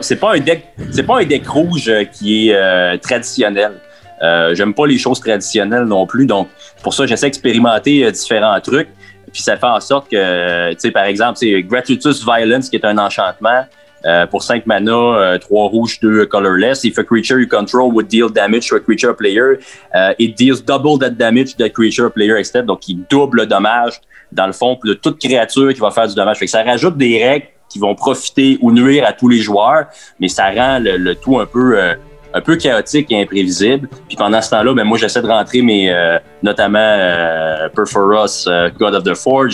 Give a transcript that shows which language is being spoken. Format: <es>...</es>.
<fr>C'est pas un deck rouge qui est traditionnel. J'aime pas les choses traditionnelles non plus. Donc, pour ça, j'essaie d'expérimenter différents trucs. Puis ça fait en sorte que, tu sais, par exemple, c'est Gratuitous Violence qui est un enchantement pour 5 mana, 3 rouges, 2 colorless.</fr> <en>If a creature you control would deal damage to a creature player, it deals double that damage to the creature player instead.</en> <fr>Donc, il double le dommage dans le fond de toute créature qui va faire du dommage. Fait que ça rajoute des règles qui vont profiter ou nuire à tous les joueurs, mais ça rend le tout un peu chaotique et imprévisible. Puis pendant ce temps-là, ben moi, j'essaie de rentrer notamment Perforos, God of the Forge.</fr>